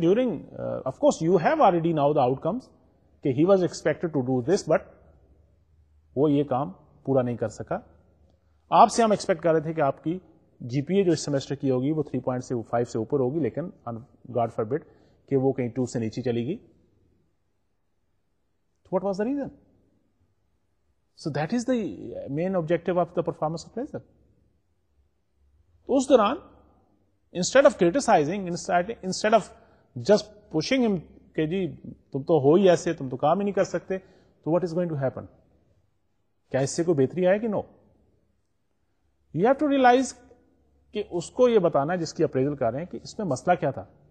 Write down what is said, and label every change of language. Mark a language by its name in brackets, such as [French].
[English] during of course you have already now the outcomes کہ he was expected to do this but [Urdu] وہ یہ کام پورا نہیں کر سکا. آپ سے ہم ایکسپیکٹ کر رہے تھے کہ آپ کی جی پی اے جو اس سیمسٹر کی ہوگی وہ 3.5 سے اوپر ہوگی, لیکن گاڈ فربڈ کہ وہ کہیں 2 سے نیچے چلے گی. [English] What was the reason? So that is the main objective of the performance appraiser. [Urdu] تو اس دوران instead of criticising, instead of just pushing ہم کہ جی تم تو ہو ہی ایسے, تم تو کام ہی نہیں کر سکتے, [English] تو what is going to happen, [Urdu] کیا اس سے کوئی بہتری آئے گی؟ نو. [English] you have to realize [Urdu] کہ اس کو یہ بتانا جس کی اپریزل کر رہے ہیں کہ اس میں مسئلہ کیا تھا.